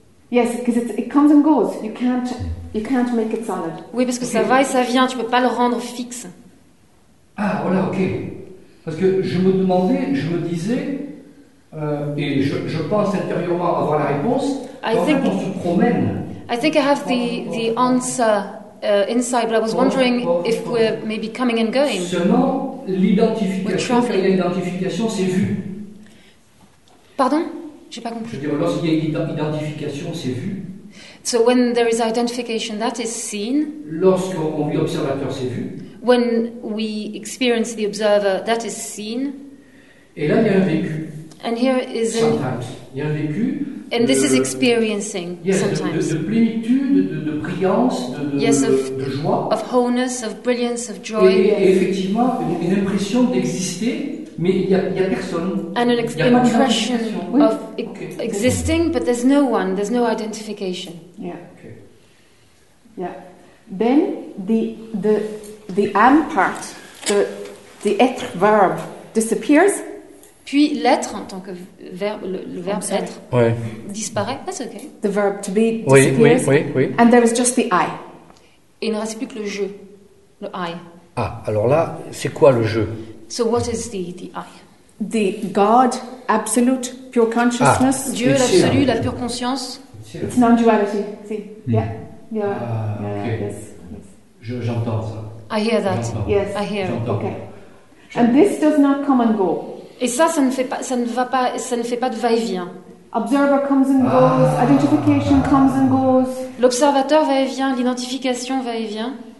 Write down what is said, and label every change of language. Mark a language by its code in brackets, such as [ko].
[en] Yes, because it comes and goes. You can't make it solid. [fr] Oui, parce que okay. Ça va et ça vient, tu ne peux pas le rendre fixe. Ah, voilà, ok. Parce que je me demandais, je me disais, et je pense intérieurement avoir la réponse, quand on se promène. [en] I think I have the answer inside, but I was wondering if we're maybe coming and going. [fr] Seulement, l'identification, c'est vu. Pardon? J'ai pas compris. Je veux dire, lorsqu'il y a identification, c'est vu. [en] So when there is identification, that is seen. [fr] Lorsqu'on vit observateur, c'est vu. [en] When we experience the observer, that is seen. [fr] Et là, il y a un vécu. [en] And here is sometimes. [fr] Il y a un vécu. [en] And this is experiencing sometimes. [fr] De plénitude, de brillance, de joie. [en] Of wholeness, of brilliance, of joy. [fr] Et effectivement, une impression d'exister, mais il y a personne. [en] And an impression of existing, but there's no one, there's no identification. Yeah. Then the am part, the être verb disappears. [fr] Puis l'être en tant que verbe, le verbe être, ouais. Disparaît. [en] That's okay. The verb to be disappears. [fr] Oui. [en] And there is just the I. [fr] Et il ne reste plus que le je, le I. Ah, alors là, c'est quoi le je? [en] So what is the I? The God, absolute, pure consciousness. Ah, [fr] Dieu, l'absolu, la pure conscience. [en] It's non-duality. See? Yeah. Okay. Yes. [fr] J'entends ça. [en] I hear that. Yes. I hear. [fr] J'entends. [en] Okay. And this does not come and go. [fr] Et ça ne fait pas, ça ne va pas, ça ne fait pas de va-et-vient. [en] Observer comes and goes, identification comes and goes. [fr] L'observateur va et vient, l'identification va et vient.